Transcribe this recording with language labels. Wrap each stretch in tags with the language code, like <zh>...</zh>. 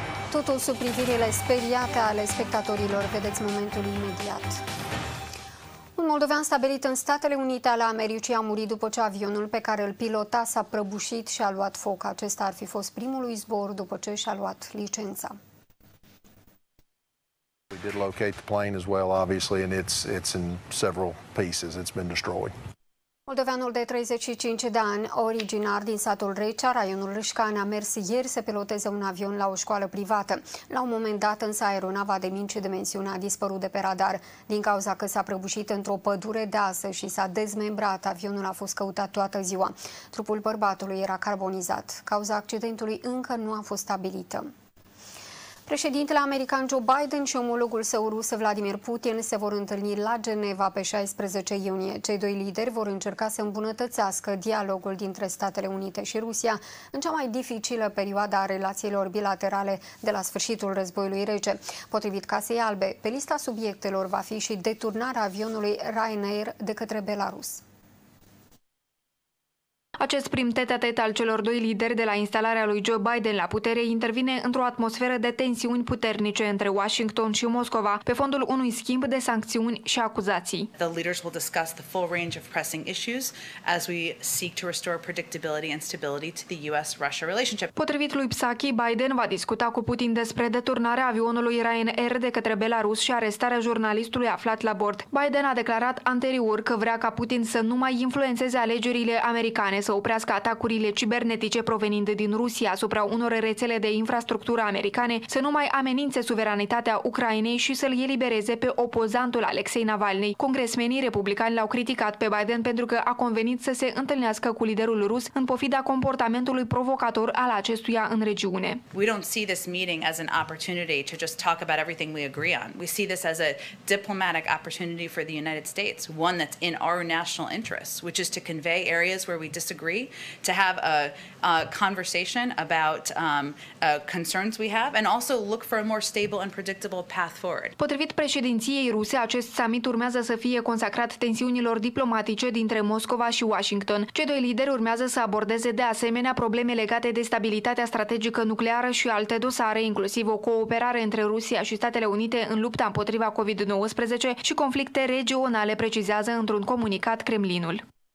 <ro>Totul sub privirile speriate ale spectatorilor. Vedeți momentul imediat. Un moldovean stabilit în Statele Unite ale Americii a murit după ce avionul pe care îl pilota s-a prăbușit și a luat foc. Acesta ar fi fost primul lui zbor după ce și-a luat licența.</ro> <en>We did locate the plane as well, obviously, and it's in several pieces. It's been destroyed.</en> <ro>Moldoveanul de 35 de ani, originar din satul Recea, raionul Râșcani, a mers ieri să piloteze un avion la o școală privată. La un moment dat, însă, aeronava de mici dimensiuni a dispărut de pe radar. Din cauza că s-a prăbușit într-o pădure deasă și s-a dezmembrat, avionul a fost căutat toată ziua. Trupul bărbatului era carbonizat. Cauza accidentului încă nu a fost stabilită. Președintele american Joe Biden și omologul său rus Vladimir Putin se vor întâlni la Geneva pe 16 iunie. Cei doi lideri vor încerca să îmbunătățească dialogul dintre Statele Unite și Rusia în cea mai dificilă perioadă a relațiilor bilaterale de la sfârșitul războiului rece. Potrivit Casei Albe, pe lista subiectelor va fi și deturnarea avionului Ryanair de către Belarus. Acest prim tete-a-tet al celor doi lideri de la instalarea lui Joe Biden la putere intervine într-o atmosferă de tensiuni puternice între Washington și Moscova, pe fondul unui schimb de sancțiuni și acuzații.</ro> <en>The leaders will discuss the full range of pressing issues as we seek to restore predictability and stability to the US-Russia relationship.</en> <ro>Potrivit lui Psaki, Biden va discuta cu Putin despre deturnarea avionului Ryanair de către Belarus și arestarea jurnalistului aflat la bord. Biden a declarat anterior că vrea ca Putin să nu mai influențeze alegerile americane, să oprească atacurile cibernetice provenind din Rusia asupra unor rețele de infrastructură americane, să nu mai amenințe suveranitatea Ucrainei și să-l elibereze pe opozantul Alexei Navalny. Congresmenii republicani l-au criticat pe Biden pentru că a convenit să se întâlnească cu liderul rus în pofida comportamentului provocator al acestuia în regiune.</ro> <en>We don't see this meeting as an opportunity to just talk about everything we agree on. We see this as a diplomatic opportunity for the United States, one that's in our national interest, which is to convey areas where we disagree, to have a conversation about concerns we have and also look for a more stable and predictable path forward.</en> <ro>Potrivit președinției ruse, acest summit urmează să fie consacrat tensiunilor diplomatice dintre Moscova și Washington. Cei doi lideri urmează să abordeze de asemenea probleme legate de stabilitatea strategică nucleară și alte dosare, inclusiv o cooperare între Rusia și Statele Unite în lupta împotriva COVID-19 și conflicte regionale, precizează într-un comunicat Kremlinul.</ro>